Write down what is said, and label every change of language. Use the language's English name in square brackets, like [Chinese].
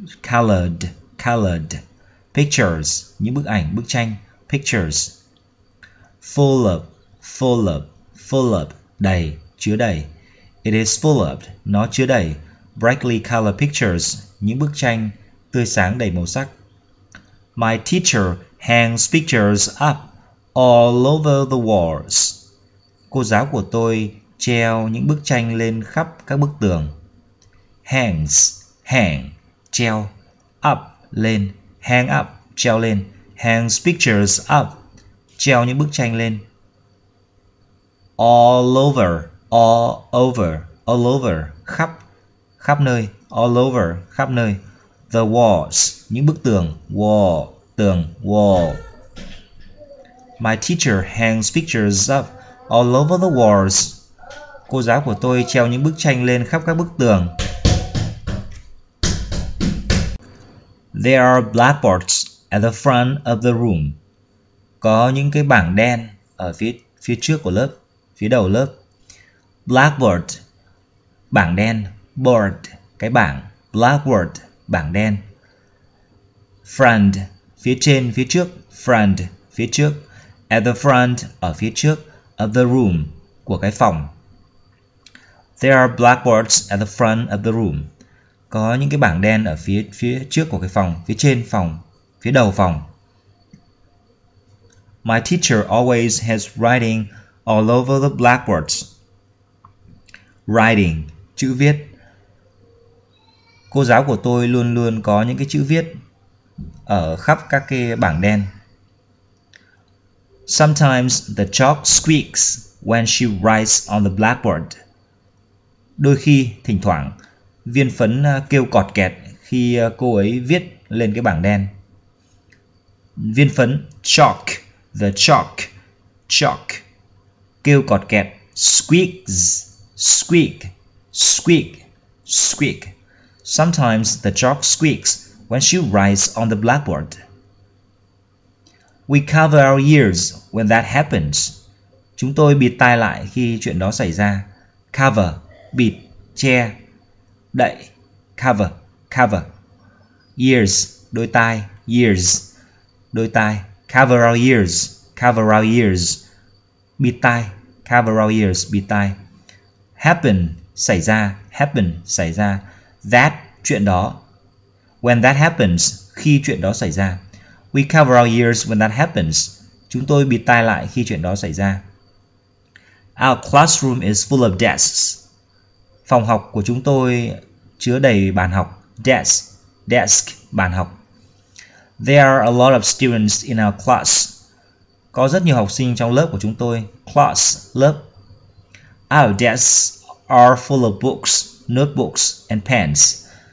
[Vietnamese] Colored, colored. Pictures, những bức ảnh, bức tranh. Pictures. [English] Full of, full of, full of, [Vietnamese] đầy, chứa đầy. [English] It is full of, [Vietnamese] nó chứa đầy. [English] Brightly colored pictures, [Vietnamese] những bức tranh tươi sáng đầy màu sắc. [English] My teacher hangs pictures up all over the walls. [Vietnamese] Cô giáo của tôi treo những bức tranh lên khắp các bức tường. [English] Hangs, hang, treo. Up, lên. Hang up, [Vietnamese] treo lên. [English] Hangs pictures up, [Vietnamese] treo những bức tranh lên. [English] All over, all over, khắp. [Vietnamese] Khắp nơi, [English] all over, [Vietnamese] khắp nơi. [English] The walls, [Vietnamese] những bức tường, wall, tường, wall. [English] My teacher hangs pictures up all over the walls. [Vietnamese] Cô giáo của tôi treo những bức tranh lên khắp các bức tường. [English] There are blackboards at the front of the room. [Vietnamese] Có những cái bảng đen ở phía trước của lớp, phía đầu lớp. Blackboard, bảng đen. Board, cái bảng. Blackboard, bảng đen. Front, phía trên, phía trước. Front, phía trước. [English] At the front, [Vietnamese] ở phía trước. [English] Of the room, [Vietnamese] của cái phòng. [English] There are blackboards at the front of the room. [Vietnamese] Có những cái bảng đen ở phía trước của cái phòng. Phía trên phòng, phía đầu phòng. [English] My teacher always has writing all over the blackboards. [Vietnamese] Writing, chữ viết. Cô giáo của tôi luôn luôn có những cái chữ viết ở khắp các cái bảng đen. [English] Sometimes the chalk squeaks when she writes on the blackboard. [Vietnamese] Đôi khi, thỉnh thoảng, viên phấn kêu cọt kẹt khi cô ấy viết lên cái bảng đen. Viên phấn, [English] chalk, the chalk, chalk, [Vietnamese] kêu cọt kẹt, [English] squeaks, squeak, squeak, squeak. Sometimes the chalk squeaks when she writes on the blackboard. We cover our ears when that happens. [Vietnamese] Chúng tôi bịt tai lại khi chuyện đó xảy ra. Cover, bịt, che, đậy. Cover, cover. Ears, đôi tai. Ears, đôi tai. [English] Cover our ears, cover our ears. [Vietnamese] Bịt tai, [English] cover our ears, [Vietnamese] bịt tai. Happen, xảy ra. Happen, xảy ra. That, chuyện đó. [English] When that happens, [Vietnamese] khi chuyện đó xảy ra. [English] We cover our ears when that happens. [Vietnamese] Chúng tôi bịt tai lại khi chuyện đó xảy ra. [English] Our classroom is full of desks. [Vietnamese] Phòng học của chúng tôi chứa đầy bàn học. Desk, desk, bàn học. [English] There are a lot of students in our class. [Vietnamese] Có rất nhiều học sinh trong lớp của chúng tôi. Class, lớp. [English] Our desks are full of books, notebooks and pens.